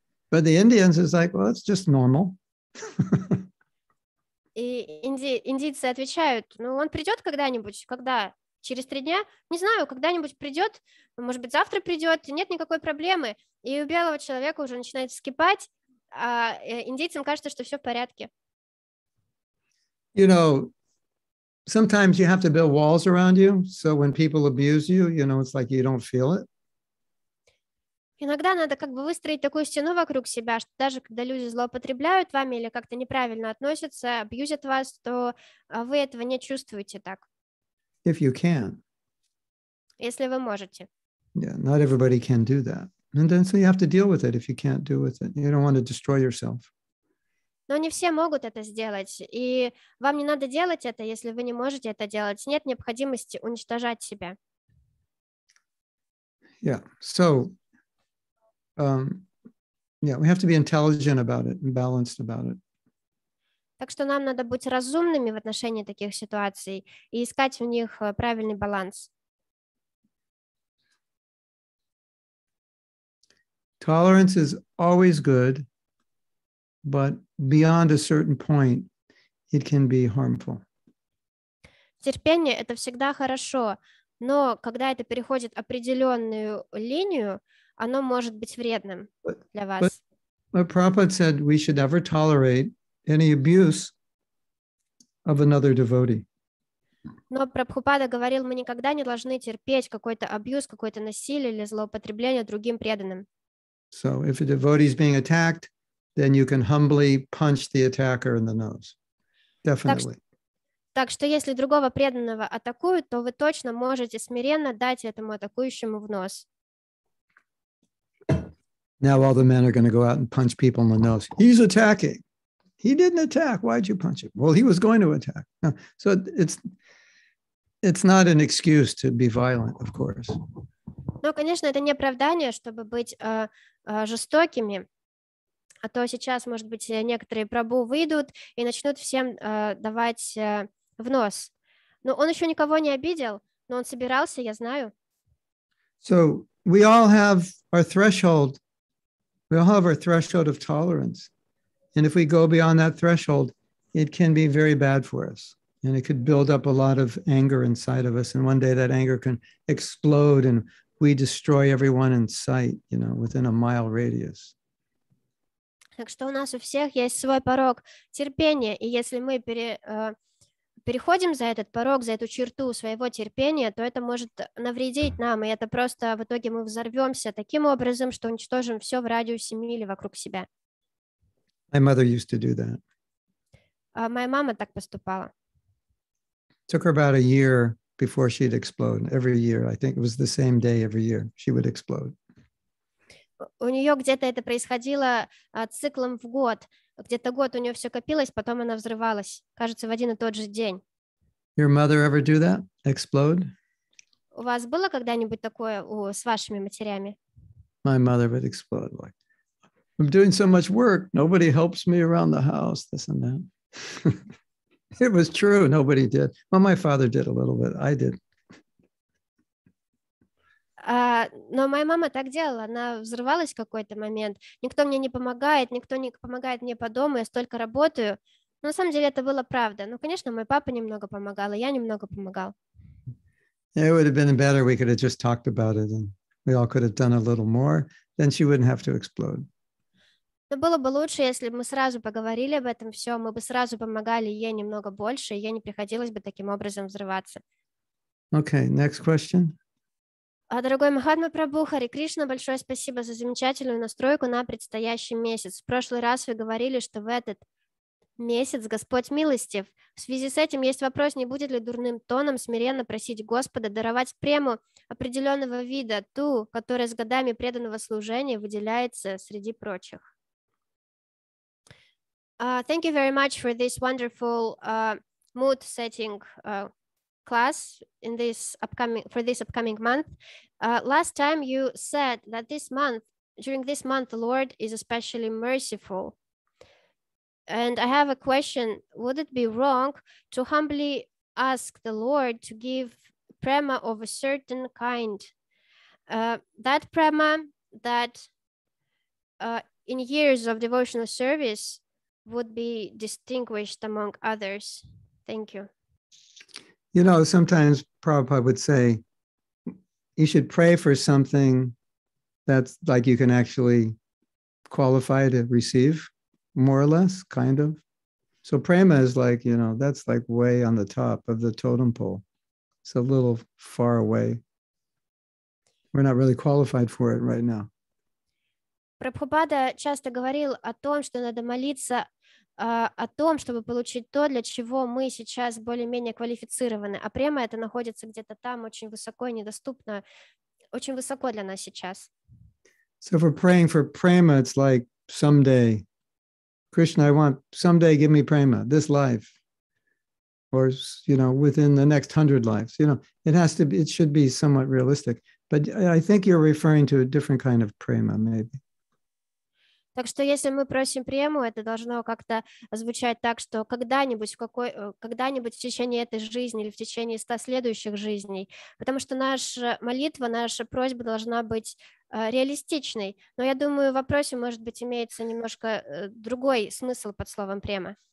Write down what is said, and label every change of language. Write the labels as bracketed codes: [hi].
[en] But the Indians is like, well, it's just normal. [ru] И индийцы отвечают: ну он придет когда-нибудь, когда? Через 3 дня? Не знаю, когда-нибудь придет, может быть, завтра придет, нет никакой проблемы. И у белого человека уже начинает вскипать, а индейцам кажется, что все в порядке. [en] You know, sometimes you have to build walls around you, so when people abuse you, you know, it's like you don't feel it. [ru] Иногда надо как бы выстроить такую стену вокруг себя, что даже когда люди злоупотребляют вами или как-то неправильно относятся, абьюзят вас, то вы этого не чувствуете так. [en] If you can. [ru] Если вы можете. [en] Yeah, not everybody can do that. And then so you have to deal with it if you can't do with it. You don't want to destroy yourself. [ru] Но не все могут это сделать. И вам не надо делать это, если вы не можете это делать. Нет необходимости уничтожать себя. [en] Yeah, so we have to be intelligent about it and balanced about it. [ru] Так что нам надо быть разумными в отношении таких ситуаций и искать в них правильный баланс. [en] Tolerance is always good, but beyond a certain point, it can be harmful. [ru] Терпение — это всегда хорошо, но когда это переходит определенную линию, оно может быть вредным для вас. [en] But Prabhupada said we should never tolerate any abuse of another devotee. [ru] Но Прабхупада говорил, мы никогда не должны терпеть какой-то абьюз, какое-то насилие или злоупотребление другим преданным. [en] So if a devotee is being attacked, then you can humbly punch the attacker in the nose. Definitely. [ru] Так что если другого преданного атакуют, то вы точно можете смиренно дать этому атакующему в нос. [en] Now all the men are going to go out and punch people in the nose. He's attacking. He didn't attack. Why'd you punch him? Well, he was going to attack. So it's not an excuse to be violent, of course. [ru] Ну, конечно, это не оправдание, чтобы быть жестокими. А то сейчас, может быть, некоторые прабу выйдут и начнут всем давать в нос. Но он еще никого не обидел, Но он собирался, я знаю. [en] So we all have our threshold. We all have our threshold of tolerance. And if we go beyond that threshold, it can be very bad for us. And it could build up a lot of anger inside of us. And one day that anger can explode and we destroy everyone in sight, you know, within a mile radius. [ru] Так что у нас у всех есть свой порог терпения. И если мы переходим за этот порог, за эту черту своего терпения, то это может навредить нам. И это просто в итоге мы взорвемся таким образом, что уничтожим все в радиусе мили вокруг себя. [en] My mother used to do that. [ru] Моя мама так поступала. [en] Took her about a year before she'd explode. Every year, I think it was the same day every year, she would explode. [ru] У нее где-то это происходило циклом в год. Где-то год у нее все копилось, потом она взрывалась. Кажется, в один и тот же день. [en] Your mother ever do that? Explode? [ru] У вас было когда-нибудь такое с вашими матерями? [en] My mother would explode. Like, I'm doing so much work. Nobody helps me around the house. This and that. It was true. Nobody did. Well, my father did a little bit. I did. [ru] Но моя мама так делала, она взрывалась в какой-то момент. Никто мне не помогает, никто не помогает мне по дому, я столько работаю. Но на самом деле это было правда. Ну, конечно, мой папа немного помогал, и я немного помогал. [en] It would have been better, we could have just talked about it, and we all could have done a little more, then she wouldn't have to explode. [ru] Но было бы лучше, если бы мы сразу поговорили об этом все, мы бы сразу помогали ей немного больше, и ей не приходилось бы таким образом взрываться. [en] Okay, next question. [ru] Дорогой Махатма Прабху, Хари Кришна, большое спасибо за замечательную настройку на предстоящий месяц. В прошлый раз вы говорили, что в этот месяц Господь милостив. В связи с этим есть вопрос, не будет ли дурным тоном смиренно просить Господа даровать прему определенного вида, ту, которая с годами преданного служения выделяется среди прочих. [en] Thank you very much for this wonderful mood setting class in this upcoming month. Last time you said that during this month the Lord is especially merciful, and I have a question: would it be wrong to humbly ask the Lord to give prema of a certain kind, that prema that in years of devotional service would be distinguished among others? Thank you. You know, sometimes Prabhupada would say, you should pray for something that's like you can actually qualify to receive, more or less, kind of. So prema is like, you know, that's like way on the top of the totem pole. It's a little far away. We're not really qualified for it right now. [ru] Прабхупада часто говорил о том, что надо молиться о том, чтобы получить то, для чего мы сейчас более-менее квалифицированы. А према это находится где-то там, очень высоко и недоступно, очень высоко для нас сейчас. [en] So if we're praying for prema, it's like someday. Krishna, I want someday give me prema, this life. Or, you know, within the next 100 lives. You know, it should be somewhat realistic. But I think you're referring to a different kind of prema, maybe. [ru] Так что если мы просим прему, это должно как-то звучать так, что когда-нибудь в течение этой жизни или в течение 100 следующих жизней, потому что наша молитва, наша просьба должна быть реалистичной. Но я думаю, в вопросе, может быть, имеется немножко другой смысл под словом према.